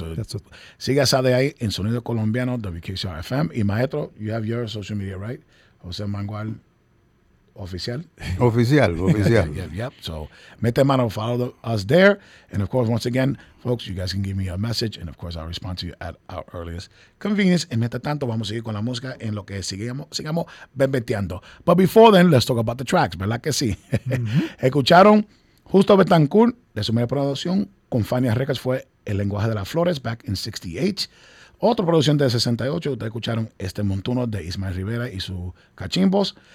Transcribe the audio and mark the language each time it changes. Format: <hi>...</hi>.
<es>Yeah, so siga Sally ahí en Sonidos Colombianos WKCR FM. Y maestro,</es> <en>you have your social media, right? Jose Mangual. Oficial. Yep. So,</en> <es>mete mano,</es> <en>follow us there. And of course, once again, folks, you guys can give me a message. And of course, I'll respond to you at our earliest convenience.</en> <es>Y mientras tanto, vamos a seguir con la música en lo que sigamos bebeteando.</es> <en>But before then, let's talk about the tracks,</en> <es>¿verdad que sí? Mm-hmm. Escucharon Justo Betancourt de su primera producción con Fania Records fue El Lenguaje de las Flores</es> <en>back in 68.</en> <es>Otra producción de 68, ustedes escucharon este montuno de Ismael Rivera y su cachimbos.</es>